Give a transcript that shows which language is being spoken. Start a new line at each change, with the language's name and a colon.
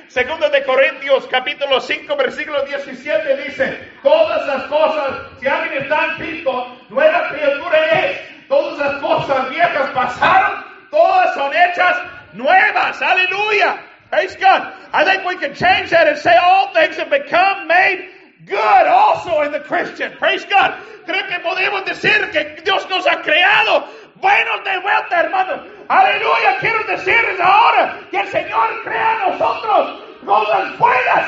Spanish: Segundo de Corintios, capítulo 5, versículo 17, dice, todas las cosas, si alguien está en Cristo, nueva criatura es. Todas las cosas viejas pasaron, todas son hechas nuevas.
English: Aleluya. Praise God. I think we can change that and say all things have become made good also in the Christian. Praise God.
Spanish: Creo que podemos decir que Dios nos ha creado buenos de vuelta, hermano. Aleluya. Quiero decirles ahora que el Señor crea en nosotros cosas buenas.